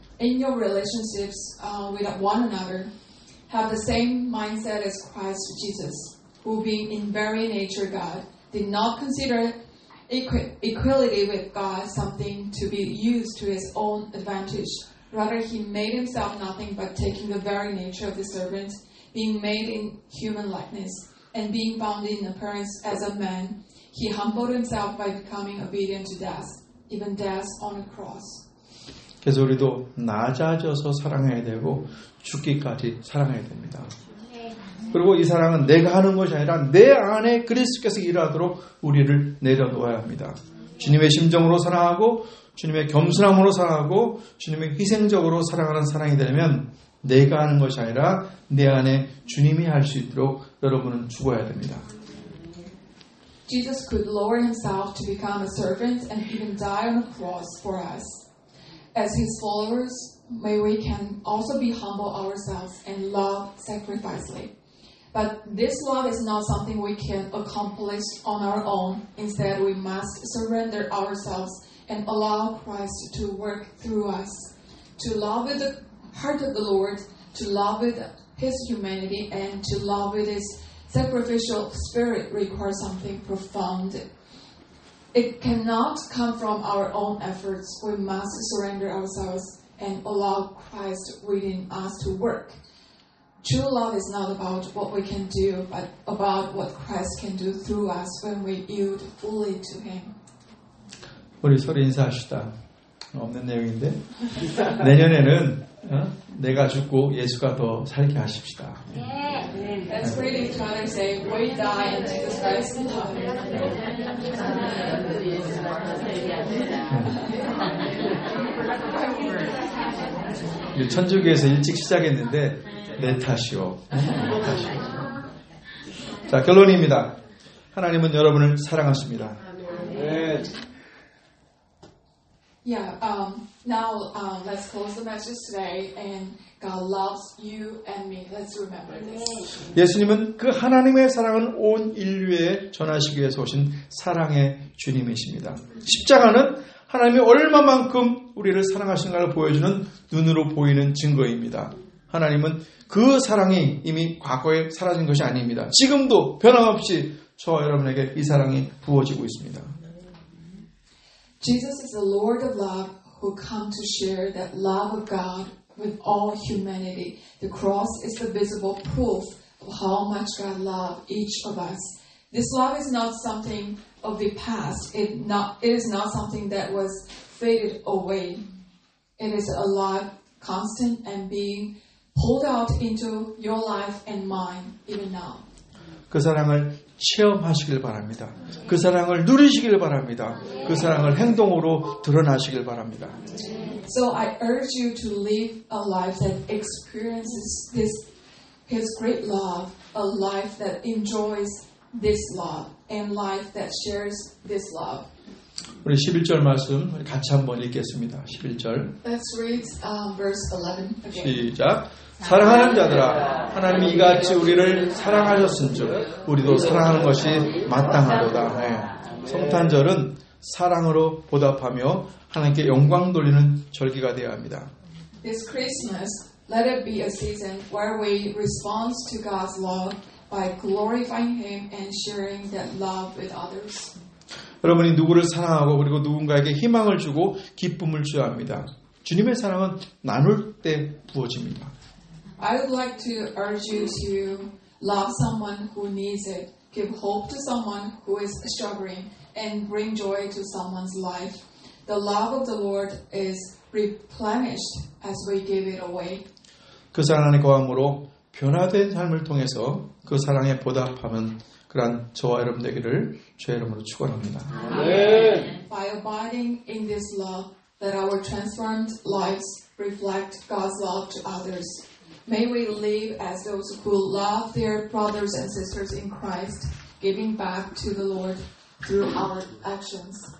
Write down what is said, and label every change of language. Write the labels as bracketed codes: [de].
[en] In your relationships with one another, have the same mindset as Christ Jesus, who being in very nature God, did not consider equality with God something to be used to his own advantage. Rather, he made himself nothing but taking the very nature of the servant, being made in human likeness, and being found in appearance as a man, he humbled himself by becoming obedient to death, even death on a cross. [ko] 그래서 우리도 낮아져서 사랑해야 되고 죽기까지 사랑해야 됩니다. 그리고 이 사랑은 내가 하는 것이 아니라 내 안에 그리스도께서 일하도록 우리를 내려놓아야 합니다. 주님의 심정으로 사랑하고 주님의 겸손함으로 사랑하고 주님의 희생적으로 사랑하는 사랑이 되면 내가 하는 것이 아니라 내 안에 주님이 할 수 있도록 여러분은 죽어야 됩니다. [en] Jesus could lower himself to become a servant and even die on a cross for us. As his followers, may we can also be humble ourselves and love sacrificially. But this love is not something we can accomplish on our own. Instead, we must surrender ourselves and allow Christ to work through us. To love with the heart of the Lord, to love with his humanity, and to love with his sacrificial spirit requires something profound. It cannot come from our own efforts. We must surrender ourselves and allow Christ within us to work. True love is not about what we can do, but about what Christ can do through us when we yield fully to Him. [ko] 우리 서로 인사합시다. 없는 내용인데 내년에는 내가 죽고 예수가 더 살게 하십시다. [en] Let's read each other and say, we die and Jesus Christ will die. [ko] 천주교에서 일찍 시작했는데 내 탓이오. 자, 결론입니다. 하나님은 여러분을 사랑하십니다. [en] Now let's close the message today and God loves you and me. Let's remember this. [ko] 예수님은 그 하나님의 사랑은 온 인류에 전하시기 위해서 오신 사랑의 주님이십니다. 십자가는 하나님이 얼마만큼 우리를 사랑하신가를 보여주는 눈으로 보이는 증거입니다. 하나님은 그 사랑이 이미 과거에 사라진 것이 아닙니다. 지금도 변함없이 저와 여러분에게 이 사랑이 부어지고 있습니다. [en] Jesus is the Lord of love who come to share that love of God with all humanity. The cross is the visible proof of how much God loves each of us. This love is not something of the past. It is not something that was faded away. It is alive, constant, and being pulled out into your life and mine even now. [ko] 그 사랑을 체험하시길 바랍니다. 그 사랑을 누리시길 바랍니다. 그 사랑을 행동으로 드러나시길 바랍니다. [en] So I urge you to live a life that experiences this His great love, a life that enjoys this love, and life that shares this love. [ko] 우리 11절 말씀 같이 한번 읽겠습니다. 11절. [en] Let's read verse 11 again. [ko] 시작. 사랑하는 자들아, 하나님이 이같이 우리를 사랑하셨은 줄 우리도 사랑하는 것이 마땅하도다. 네. 성탄절은 사랑으로 보답하며 하나님께 영광 돌리는 절기가 되어야 합니다. [en] This Christmas, let it be a season where we respond to God's love by glorifying Him and sharing that love with others. [ko] 여러분이 누구를 사랑하고 그리고 누군가에게 희망을 주고 기쁨을 주어야 합니다. 주님의 사랑은 나눌 때 부어집니다. [en] I would like to urge you to love someone who needs it, give hope to someone who is struggling, and bring joy to someone's life. The love of the Lord is replenished as we give it away. [ko] 그 사랑의 거함으로 변화된 삶을 통해서 그 사랑에 보답하면 그런 저와 여러분들에게를 주의 이름으로 축원합니다. 아멘. [en] By abiding in this love, that our transformed lives reflect God's love to others. May we live as those who love their brothers and sisters in Christ, giving back to the Lord through our actions.